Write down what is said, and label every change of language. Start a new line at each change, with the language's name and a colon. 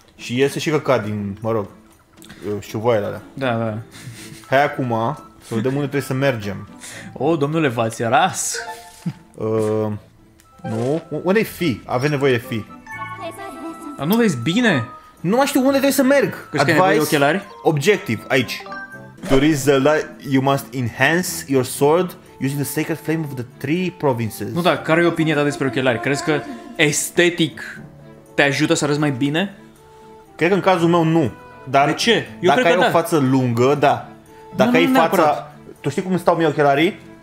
Romanian: Și iese și căcat din, mă rog, șuvoaiele alea. Da, da. Hai acum, să vedem unde trebuie să mergem. O, domnule, v-ați ras. Nu, unde e fi? Avem nevoie de fi. Dar nu vezi bine? Nu mai știu unde trebuie să merg. Că știi că ai nevoie de ochelari? Objective, aici.
English: To reach Zelda, you must enhance your sword using the sacred flame of the three provinces.
Romanian: Nu, da, care e opinia ta despre ochelari? Crezi că estetic te ajută să arăți mai bine? Cred că în cazul meu nu. Dar de ce? Eu dacă cred ai că o față lungă, da. Dacă ai fața... Tu știi cum îmi stau mie ochelarii?